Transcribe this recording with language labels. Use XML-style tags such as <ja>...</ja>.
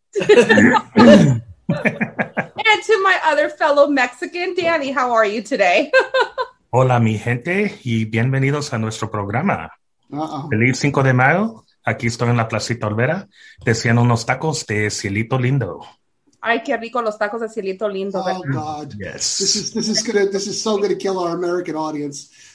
<en>And to my other fellow Mexican, Danny, how are you today?</en> <es>Hola, mi gente, y bienvenidos a nuestro programa. Feliz Cinco de Mayo. Aquí estoy en la Placita Olvera, deseando unos tacos de cielito lindo. Ay, qué rico los tacos de cielito lindo. Oh, ¿verdad? God.</es> <en>Yes. This is so going to kill our American audience.</en>